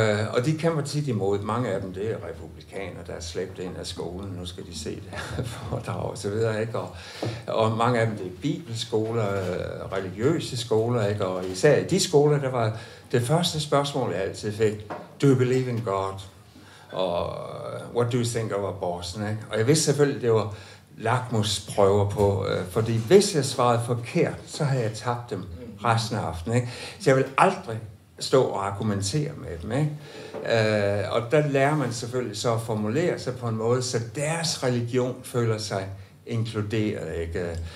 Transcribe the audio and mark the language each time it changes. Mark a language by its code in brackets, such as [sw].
[da] Og de kæmper tit imod. Mange af dem, det er republikanere, der er slæbt ind af skolen. Nu skal de se det foredrag og så videre, ikke? Og mange af dem, det er bibelskoler, religiøse skoler, ikke? Og især i de skoler, der var det første spørgsmål, jeg altid fik. [en] Do you believe in God? Og what do you think of abortion, ikke? [da] Og jeg vidste selvfølgelig, det var lakmusprøver på. Fordi hvis jeg svarede forkert, så havde jeg tabt dem resten af aftenen, ikke? Så jeg vil aldrig stå og argumentere med dem, ikke? Og der lærer man selvfølgelig så at formulere sig på en måde, så deres religion føler sig inkluderet, ikke?